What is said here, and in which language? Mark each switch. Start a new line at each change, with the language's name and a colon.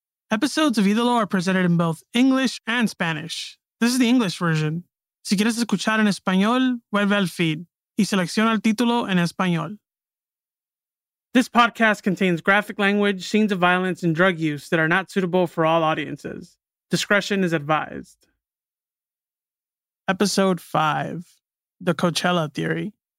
English: Episodes of Ídolo are presented in both English and Spanish. This is the English version.
Spanish: Si quieres escuchar en español, vuelve al feed y selecciona el título en español.
English: This podcast contains graphic language, scenes of violence, and drug use that are not suitable for all audiences. Discretion is advised. Episode 5, The Coachella Theory.